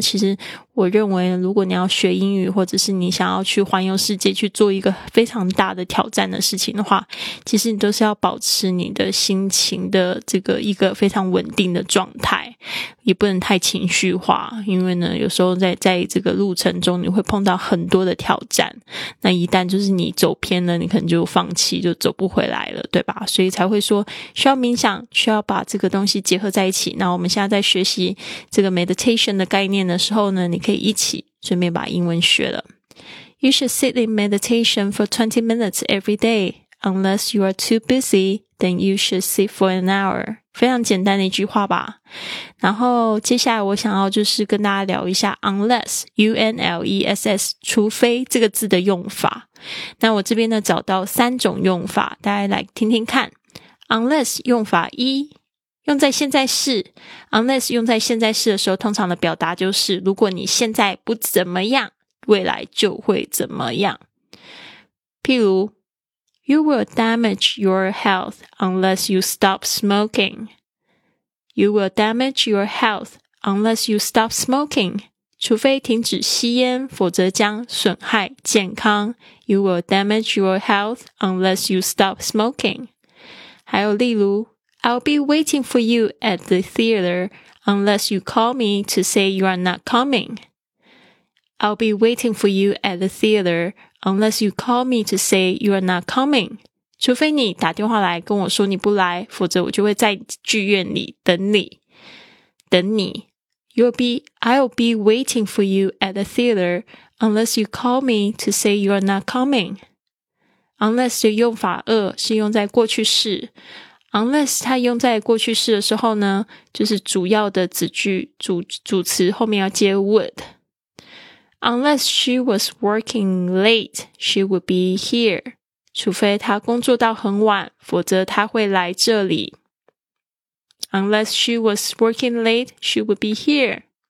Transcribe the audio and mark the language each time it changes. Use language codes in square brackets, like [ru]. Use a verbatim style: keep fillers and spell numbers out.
[zh] 其实我认为，如果你要学英语，或者是你想要去环游世界，去做一个非常大的挑战的事情的话，其实你都是要保持你的心情的这个一个非常稳定的状态，也不能太情绪化，因为呢，有时候在在这个路程中，你会碰到很多的挑战。那一旦就是你走偏了，你可能就放弃，就走不回来了，对吧？所以才会说需要冥想，需要把这个东西结合在一起。那我们现在在学习这个 meditation 的概念的时候呢，你可以一起顺便把英文学了。 [en] You should sit in meditation for twenty minutes every day. Unless you are too busy, then you should sit for an hour. [zh] 非常简单的一句话吧。然后接下来我想要就是跟大家聊一下 unless, U N L E S S, 除非这个字的用法。那我这边呢找到三种用法，大家来听听看。 unless 用法一，用在现在式。 unless 用在现在式的时候，通常的表达就是如果你现在不怎么样，未来就会怎么样。譬如 [en] You will damage your health unless you stop smoking. You will damage your health unless you stop smoking. [zh] 除非停止吸烟，否则将损害健康。 [en] You will damage your health unless you stop smoking. [zh] 还有例如 [en] I'll be waiting for you at the theater unless you call me to say you are not coming. I'll be waiting for you at the theater unless you call me to say you are not coming. [zh] 除非你打电话来跟我说你不来，否则我就会在剧院里等你。等你。 [en] You'll be, I'll be waiting for you at the theater unless you call me to say you are not coming. [zh] Unless 的用法二是用在过去式。Unless 它用在过去式的时候呢，就是主要的子句 主, 主词后面要接 would。 [en] Unless she was working late, she would be here. [zh] 除非她工作到很晚，否则她会来这里。 [en] Unless she was working late, she would be here.